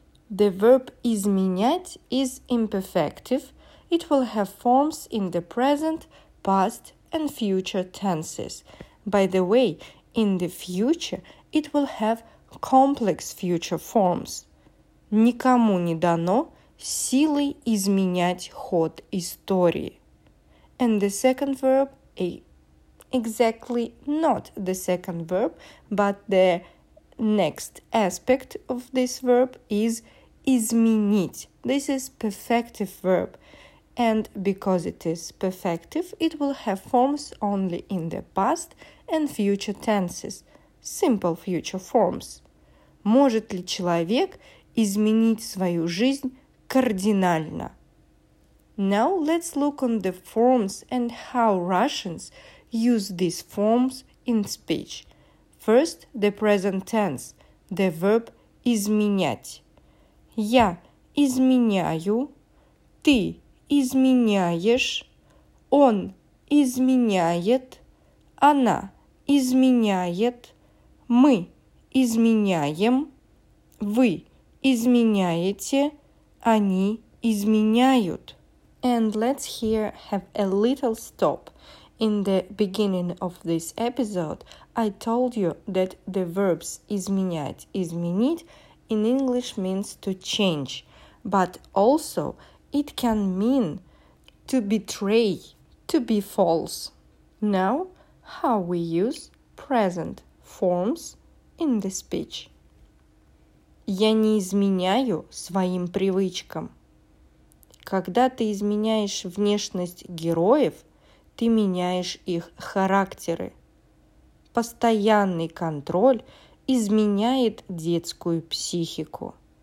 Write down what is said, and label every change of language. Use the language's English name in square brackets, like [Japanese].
[English] The verb изменять is imperfective. It will have forms in the present, past and future tenses. By the way, in the future it will have complex future forms. [Russian] Никому не дано силой изменять ход истории. [English] And the second verb, exactly not the second verb, but the next aspect of this verb is изменить. This is perfective verb. And because it is perfective, it will have forms only in the past and future tenses. Simple future forms. [Russian] Может ли человек изменить свою жизнь кардинально? [English] Now let's look on the forms and how Russians use these forms in speech. First, the present tense, the verb изменять. [Russian] Я изменяю, ты изменяешь, он изменяет, она изменяет, мы изменяем, вы изменяете, они изменяют. [English] And let's here have a little stop. In the beginning of this episode, I told you that the verbs изменять, изменить in English means to change, but also it can mean to betray, to be false. Now, how we use present forms in the speech. [Russian] Я не изменяю своим привычкам. Когда ты изменяешь внешность героев, ты меняешь их характеры. Постоянный контроль изменяет детскую психику.